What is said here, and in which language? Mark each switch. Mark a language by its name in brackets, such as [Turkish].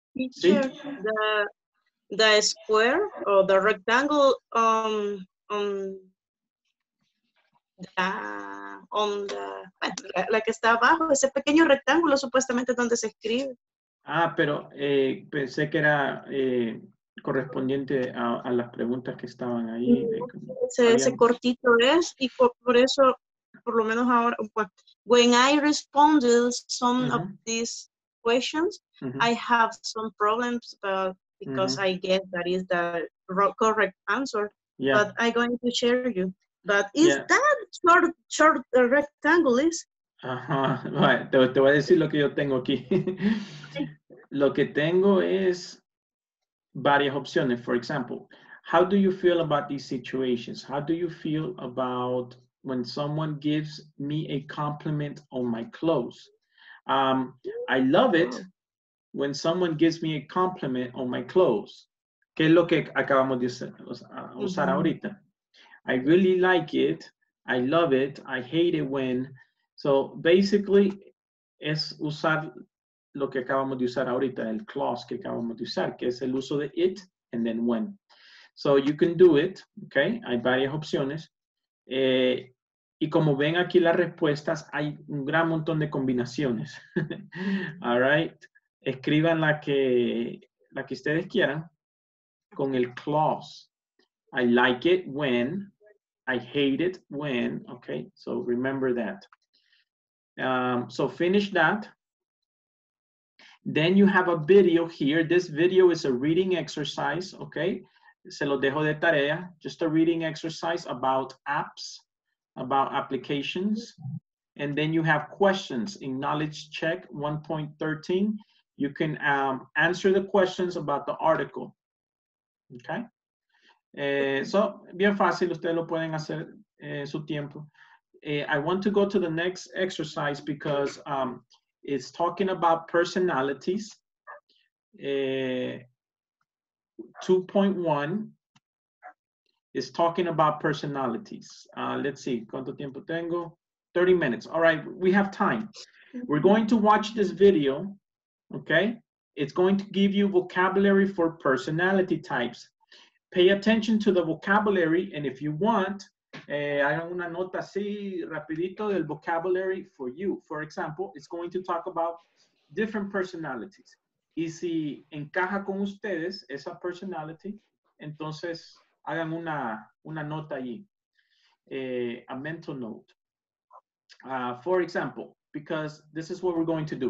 [Spanish] Sí. [English] The square or the rectangle [Spanish] la que está abajo, ese pequeño rectángulo supuestamente donde se escribe. Ah, pero pensé que era correspondiente a las preguntas que estaban ahí. Ese cortito es, y por eso, por lo menos ahora, [English] when I responded some of these questions, I have some problems, because I guess that is the correct answer, but I'm going to share you. But is that short rectangle is? [Spanish] Ajá, bueno, te voy a decir lo que yo tengo aquí. Lo que tengo es varias opciones. [English] For example, how do you feel about these situations? How do you feel about when someone gives me a compliment on my clothes? I love it when someone gives me a compliment on my clothes. [Spanish] ¿Qué es lo que acabamos de usar ahorita? [English] I really like it. I love it. I hate it when. So basically, [Spanish] es usar lo que acabamos de usar ahorita, el clause que acabamos de usar, que es el uso de it and then when. [English] So you can do it, okay? [Spanish] Hay varias opciones. Y como ven aquí las respuestas, hay un gran montón de combinaciones. [English] All right? [Spanish] Escriban la que ustedes quieran con el clause. [English] I like it when, I hate it when, okay? So remember that. So finish that. Then you have a video here. This video is a reading exercise, okay? [Spanish] Se lo dejo de tarea. [English] Just a reading exercise about apps, about applications. And then you have questions in knowledge check 1.13. You can answer the questions about the article, okay? [Spanish] So, bien fácil, ustedes lo pueden hacer su tiempo. [English] I want to go to the next exercise because it's talking about personalities. 2.1 is talking about personalities. Let's see, [Spanish] ¿cuánto tiempo tengo? [English] 30 minutes. All right, we have time. We're going to watch this video, okay? It's going to give you vocabulary for personality types. Pay attention to the vocabulary, and if you want, [Spanish] hagan una nota así rapidito del [English] vocabulary for you. For example, it's going to talk about different personalities. [Spanish] Y si encaja con ustedes esa personality, entonces hagan una nota allí. [English] A mental note. For example, because this is what we're going to do.